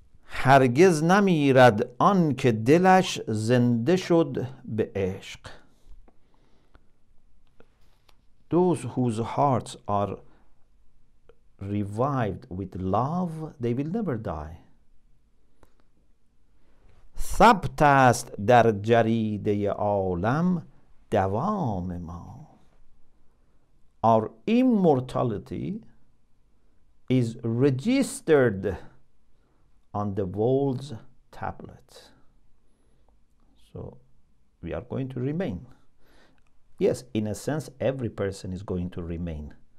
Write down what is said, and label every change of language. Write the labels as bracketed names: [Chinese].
[Persian] هرگز نمیرد آن که دلش زنده شد به عشق. [English] Those whose hearts are revived with love, they will never die. [Persian] ثبت است در جریده عالم دوام ما. [English] Our immortality is registered on the world's tablet. So we are going to remain. Yes, in a sense, every person is going to remain.